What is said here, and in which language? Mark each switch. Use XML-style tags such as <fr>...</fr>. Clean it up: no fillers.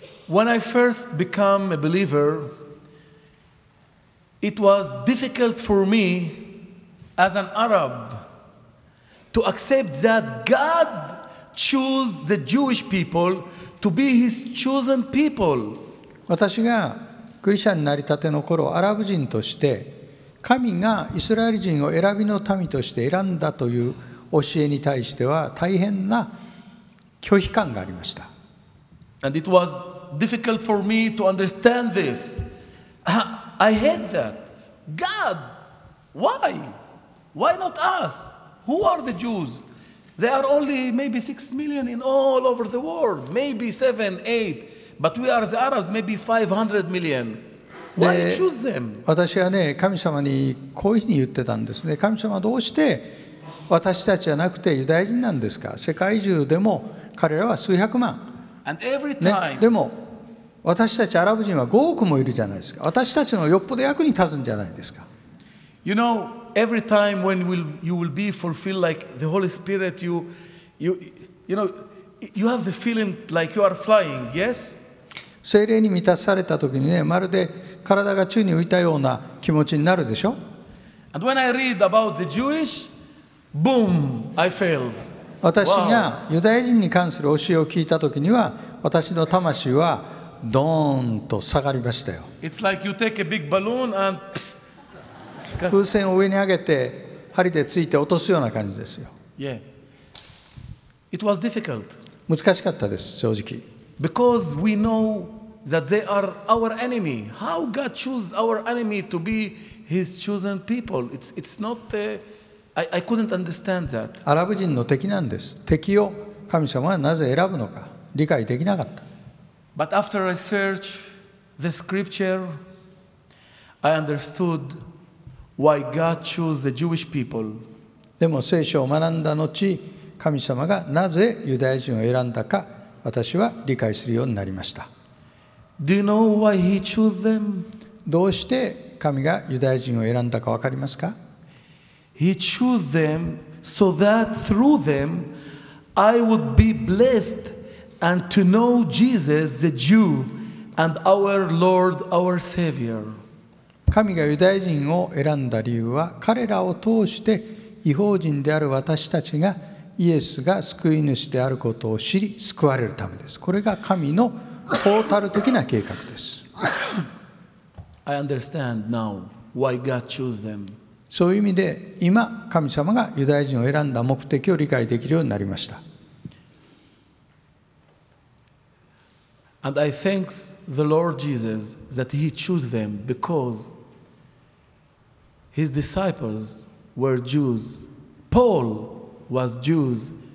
<en>When I first became a believer, it was difficult for me as an Arab to accept that GodChoose the Jewish people to be his chosen people.</en> <ja>私がクリスチャンになりたての頃、アラブ人として神がイスラエル人を選びの民として選んだという教えに対しては大変な拒否感がありました。</ja> <en>And it was difficult for me to understand this. I hate that. God, why? Why not us? Who are the Jews? There are only maybe 6 million in all over the world, maybe 7, 8, but we are the Arabs, maybe 500 million. Why choose them?</en> <ja>私はね、神様にこういうふうに言ってたんですね。神様、どうして私たちじゃなくてユダヤ人なんですか？世界中でも彼らは数百万。</ja> <en>And every time, ね、</en> <ja>でも私たちアラブ人は5億もいるじゃないですか。私たちのよっぽど役に立つんじゃないですか。</ja> <en>You know, every time when you will be fulfilled like the Holy Spirit, you have the feeling like you are flying, yes?</en> <ja>聖霊に満たされた時にね、まるで体が宙に浮いたような気持ちになるでしょ。</ja> <en>And when I read about the Jewish, boom, I fell.</en> <ja>私がユダヤ人に関する教えを聞いた時には、私の魂はドーンと下がりましたよ。</ja> <en>It's like you take a big balloon and pssst.</en> <ja>風船を上に上げて針でついて落とすような感じですよ。</ja> <en>Yeah. It was difficult.</en> <ja>難しかったです、正直。</ja> <en>Because we know that they are our enemy. How God choose our enemy to be His chosen people? I couldn't understand that.</en> <ja>アラブ人の敵なんです。敵を神様はなぜ選ぶのか理解できなかった。</ja> <en>But after I searched the scripture, I understood. Why God chose the Jewish people.</en> <ja>でも聖書を学んだ後、神様がなぜユダヤ人を選んだか、私は理解するようになりました。</ja> <en>Do you know why He chose them?</en> <ja>どうして神がユダヤ人を選んだか分かりますか？</ja> <en>He chose them so that through them I would be blessed and to know Jesus the Jew and our Lord, our Savior.</en> <ja>神がユダヤ人を選んだ理由は、彼らを通して異邦人である私たちがイエスが救い主であることを知り救われるためです。これが神のトータル的な計画です。</ja> <en>I understand now why God chose them.</en> <ja>そういう意味で今神様がユダヤ人を選んだ目的を理解できるようになりました。</ja> <en>And I thank the Lord Jesus that He chose them because His disciples were Jews. Paul was Jews.</en>